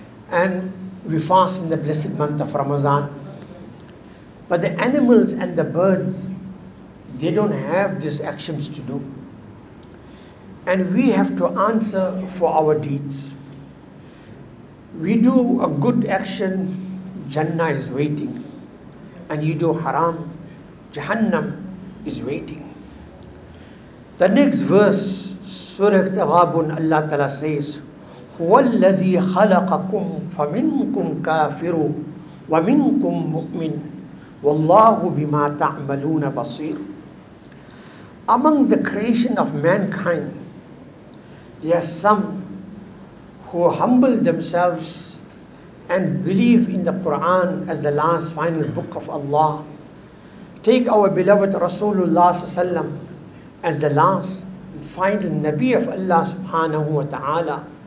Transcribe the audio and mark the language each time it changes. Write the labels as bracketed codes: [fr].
[en] And we fast in the blessed month of Ramadan. But the animals and the birds, they don't have these actions to do. And we have to answer for our deeds. We do a good action, Jannah is waiting. And you do haram, Jahannam is waiting. The next verse, Surah Taghabun, Allah Ta'ala says, [ar] هُوَ الَّذِي خَلَقَكُمْ فَمِنْكُمْ كَافِرٌ وَمِنْكُمْ مُؤْمِنٌ وَاللَّهُ بِمَا تَعْمَلُونَ بَصِيرٌ. [en] Among the creation of mankind, there are some who humble themselves and believe in the Quran as the last final book of Allah. Take our beloved Rasulullah sallallahu alaihi wasallam as the last final Nabi of Allah subhanahu wa ta'ala.